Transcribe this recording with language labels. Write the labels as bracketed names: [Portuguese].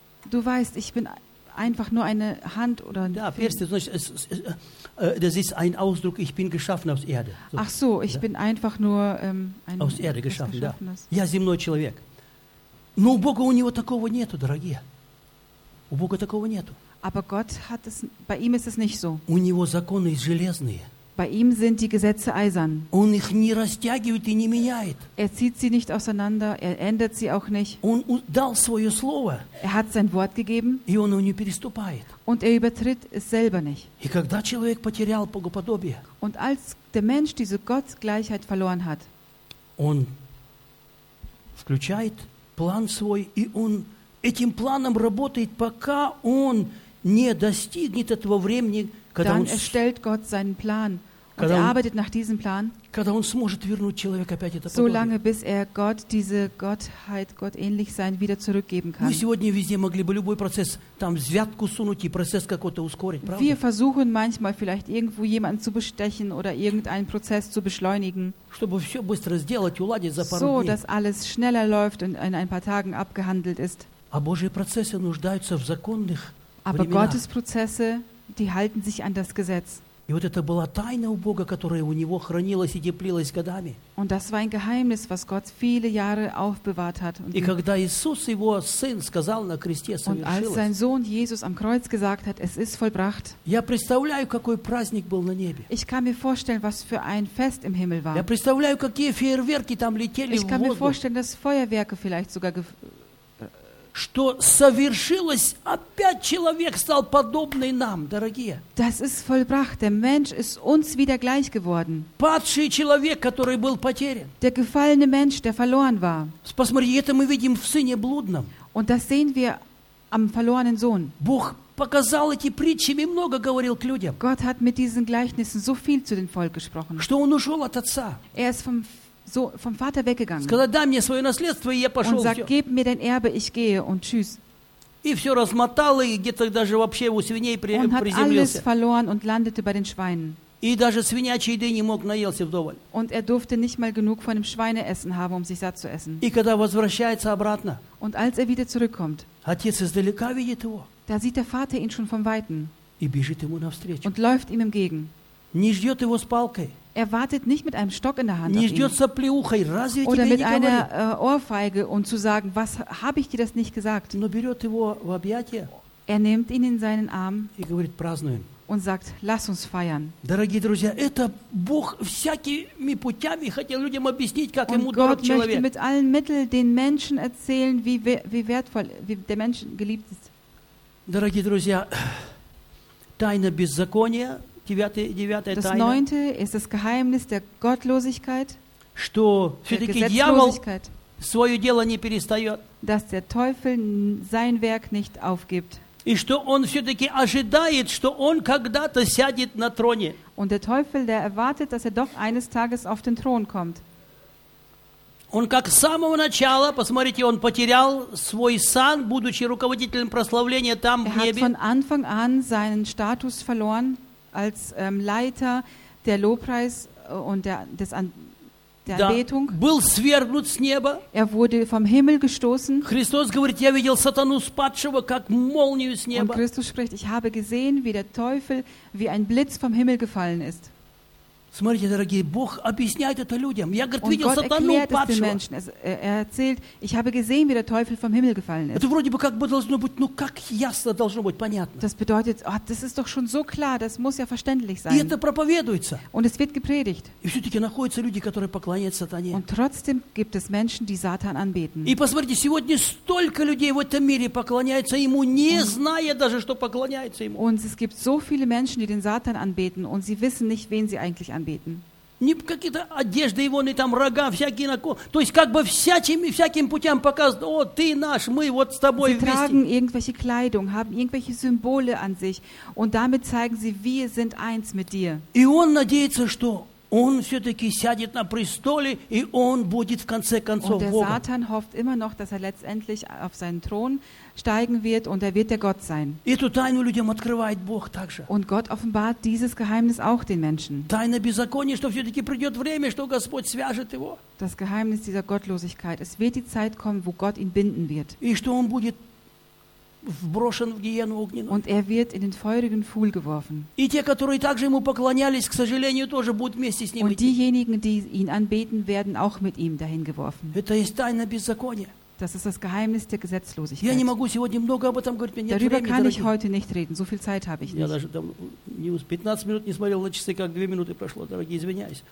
[German] Du weißt, ich bin einfach nur eine Hand oder ein Finger. Das ist ein Ausdruck, ich bin geschaffen aus Erde. So. Ach so, ich bin einfach nur ein aus Erde geschaffen, ja. [Russian] Ja, земной человек. Но у Бога у него такого нету, дорогие. У Бога такого нету. [German] Aber Gott hat es, bei ihm ist es nicht so. [Russian] У него законы железные. [German] Bei ihm sind die Gesetze eisern. [Russian] Он их не растягивает и не меняет. [German] Er zieht sie nicht auseinander, er ändert sie auch nicht. [Russian] Он дал свое слово. [German] Er hat sein Wort gegeben. [Russian] И он его не переступает. [German] Und er übertritt es selber nicht. [Russian] И когда человек потерял богоподобие, [German] und als der Mensch diese Gottgleichheit verloren hat, [Russian] он включает план свой, и он этим планом работает, пока он не достигнет этого времени, когда [German] dann erstellt Gott seinen Plan und er arbeitet nach diesem Plan, [Russian] когда он сможет вернуть человека опять это [German] so lange, bis er Gott, diese Gottheit, Gottähnlich sein, wieder zurückgeben kann. [Russian] Мы сегодня везде могли бы любой процесс там взятку сунуть и процесс какой-то ускорить, правда? [German] Wir versuchen manchmal vielleicht irgendwo jemanden zu bestechen oder irgendeinen Prozess zu beschleunigen, [Russian] чтобы все быстро сделать, уладить за пару [German] so, [Russian] дней. [German] Dass alles schneller läuft und in ein paar Tagen abgehandelt ist. [Russian] А Божьи процессы нуждаются в законных [German] Aber [Russian] времена. [German] Gottes Prozesse, die halten sich an das Gesetz. [Russian] И вот это была тайна у Бога, которая у него хранилась и теплилась годами. [German] Und das war ein Geheimnis, was Gott viele Jahre aufbewahrt hat. [Russian] И когда Иисус, его сын, сказал на кресте, совершилось. [German] Und als sein Sohn Jesus am Kreuz gesagt hat, es ist vollbracht. [Russian] Я представляю, какой праздник был на небе. [German] Ich kann mir vorstellen, was für ein Fest im Himmel war. [Russian] Я представляю, какие фейерверки там летели в воздух. [German] Ich kann mir vorstellen, dass Feuerwerke vielleicht sogar [Russian] что совершилось, опять человек стал подобный нам, дорогие. [German] Das ist vollbracht. Der Mensch ist uns wieder gleich geworden. [Russian] Падший человек, который был потерян. [German] Der gefallene Mensch, der verloren war. [Russian] Посмотри, это мы видим в сыне блудном. [German] Und das sehen wir am verlorenen Sohn. [Russian] Бог показал эти притчи и много говорил к людям. [German] Gott hat mit diesen Gleichnissen so viel zu den Volk gesprochen. [Russian] Что он ушел от отца. [German] Er ist vom So, vom Vater weggegangen. [Russian] Сказал, дай мне свое наследство, и я пошел. [German] Und sagt, gib mir dein Erbe, ich gehe und tschüss. [Russian] И все размотал, и где-то даже вообще у свиней приземлился. [German] Und hat alles verloren und landete bei den Schweinen. [Russian] И даже свинячьей еды не мог наелся вдоволь. [German] Und er durfte nicht mal genug von dem Schweineessen haben, um sich satt zu essen. [Russian] И когда возвращается обратно. [German] Und als er wieder zurückkommt. [Russian] Отец издалека видит его. [German] Da sieht der Vater ihn schon von Weitem. [Russian] И бежит ему навстречу. [German] Und läuft ihm entgegen. [Russian] Не ждет его с палкой. [German] Er wartet nicht mit einem Stock in der Hand auf ihn. Oder mit einer Ohrfeige und zu sagen, was habe ich dir das nicht gesagt? Er nimmt ihn in seinen Arm und sagt, lass uns feiern. [Russian] Дорогие друзья, это Бог всякими путями хотел людям объяснить, как ему дорог человек. [German] Gott möchte mit allen Mitteln den Menschen erzählen, wie wertvoll wie der Mensch geliebt ist. [Russian] Дорогие друзья, тайна беззакония. Девятая [German] das neunte ist das Geheimnis der Gottlosigkeit, [Russian] что, [German] der Gesetzlosigkeit, [Russian] свое дело не перестает, [German] dass der Teufel sein Werk nicht aufgibt. [Russian] И что он все-таки ожидает, что он когда-то сядет на троне. [German] Und der Teufel, der erwartet, dass er doch eines Tages auf den Thron kommt. [Russian] Он как с самого начала, посмотрите, он потерял свой сан, будучи руководителем прославления там, [German] er [Russian] в небе. [German] Er hat von Anfang an seinen Status verloren, als Leiter der Lobpreis und der Anbetung. [Russian] Да, был свергнут с неба. [German] Er wurde vom Himmel gestoßen. [Russian] Христос говорит, я видел сатану спадшего, как молнию с неба. [German] Und Christus spricht, ich habe gesehen, wie der Teufel wie ein Blitz vom Himmel gefallen ist. [Russian] Смотрите, дорогие, Бог объясняет это людям. Я, говорит, видел сатану падшего. [German] Er erzählt, ich habe gesehen, wie der Teufel vom Himmel gefallen ist. [Russian] Это вроде бы как бы должно быть, ну как ясно должно быть, понятно. [German] Das bedeutet, oh, das ist doch schon so klar, das muss ja verständlich sein. [Russian] И это проповедуется. [German] Und es wird gepredigt. [Russian] И все-таки находятся люди, которые поклоняются сатане. [German] Und trotzdem gibt es Menschen, die Satan anbeten. [Russian] И посмотрите, сегодня столько людей в этом мире поклоняются ему, не зная даже, что поклоняются ему. [German] Und es gibt so viele Menschen, die den Satan anbeten und sie wissen nicht, wen sie eigentlich anbeten. [Russian] Не какие-то одежды его, не там рога всякие на ко, то есть как бы всяким путем показывают, о, ты наш, мы вот с тобой вместе. [German] Sie tragen irgendwelche Kleidung, haben irgendwelche Symbole an sich und damit zeigen sie, wir sind eins mit dir. [Russian] И он надеется, что он все-таки сядет на престоле и он будет в конце концов Богом. [German] Und der Satan hofft immer noch, dass er letztendlich auf seinen Thron steigen wird und er wird der Gott sein. [Russian] Эту тайну людям открывает Бог также. [German] Und Gott offenbart dieses Geheimnis auch den Menschen. [Russian] Тайна беззакония, что все-таки придет время, что Господь свяжет его. [German] Das Geheimnis dieser Gottlosigkeit. Es wird die Zeit kommen, wo Gott ihn binden wird. [Russian] И что он будет вброшен в гиену огненную. [German] Und er wird in den feurigen Pfuhl geworfen. [Russian] И те, которые также ему поклонялись, к сожалению, тоже будут вместе с ним. [German] Und diejenigen, die ihn anbeten, werden auch mit ihm dahin geworfen. [Russian] Это есть тайна беззакония. [German] Das ist das Geheimnis der Gesetzlosigkeit. [Russian] Я не могу сегодня много об этом говорить, мне [German] Darüber kann ich heute nicht reden. So viel Zeit habe ich nicht. [Russian] Я не успел 15 минут не смотрел на часы, как 2 минуты прошло, дорогие, извиняюсь.